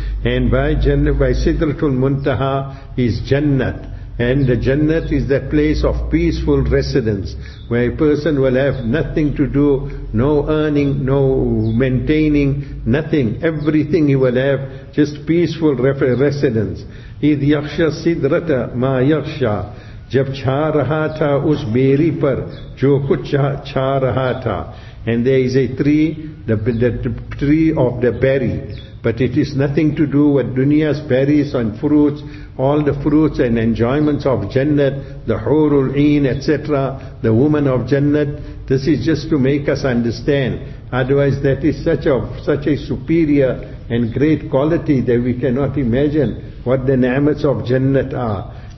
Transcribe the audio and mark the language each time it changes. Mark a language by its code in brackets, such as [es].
[en] And by Sidratul Muntaha is Jannat. And the Jannat is that place of peaceful residence, where a person will have nothing to do, no earning, no maintaining, nothing. Everything he will have, just peaceful residence. [ar] اِذْ يَخْشَ سِدْرَةَ مَا يَخْشَى [ur] جَبْ چھا رہا تھا اس بیری پر جو کچھ چھا رہا تھا. [en] And there is a tree, the tree of the berry. But it is nothing to do with dunya's berries and fruits, all the fruits and enjoyments of Jannat, the Hurul Een, etc., the woman of Jannat. This is just to make us understand. Otherwise, that is such a superior and great quality that we cannot imagine what the ni'mats of Jannat are.